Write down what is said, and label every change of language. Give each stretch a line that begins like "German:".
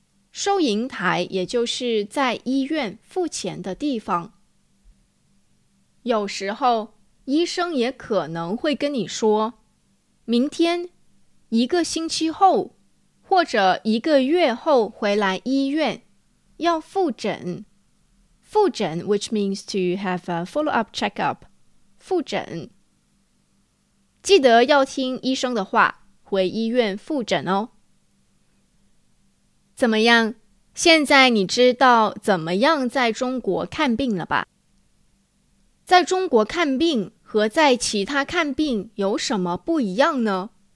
Chinese: 收银台也就是在医院付钱的地方。有时候医生也可能会跟你说，明天一个星期后或者一个月后回来医院要复诊。
English: 复诊 which means to have a follow-up check-up.
Chinese: 复诊。记得要听医生的话，回医院复诊哦。怎么样？现在你知道怎么样在中国看病了吧？在中国看病和在其他看病有什么不一样呢？